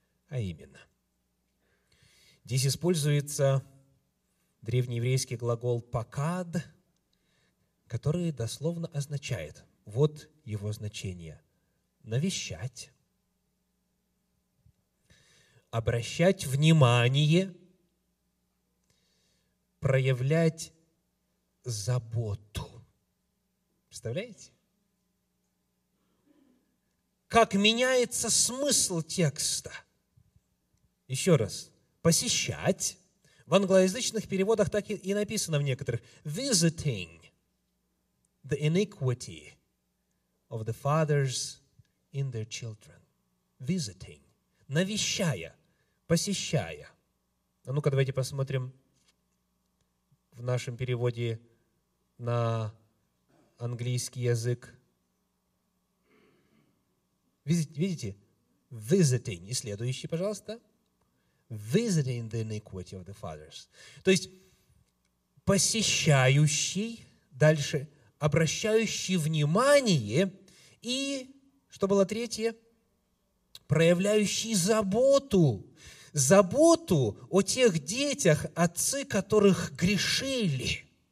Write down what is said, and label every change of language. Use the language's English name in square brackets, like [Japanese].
[Russian] А именно, здесь используется древнееврейский глагол «пакад», который дословно означает, вот его значение, навещать, обращать внимание, проявлять заботу. Представляете? Как меняется смысл текста. Еще раз. Посещать. В англоязычных переводах так и написано в некоторых. [English] Visiting the iniquity of the fathers in their children. [Russian] Visiting. Навещая. Посещая. А ну-ка давайте посмотрим в нашем переводе на английский язык. Видите? Visiting. И следующий, пожалуйста. [English] Visiting the iniquity of the fathers. [Russian] То есть, посещающий, дальше, обращающий внимание и, что было третье, проявляющий заботу. Заботу о тех детях, отцы которых грешили.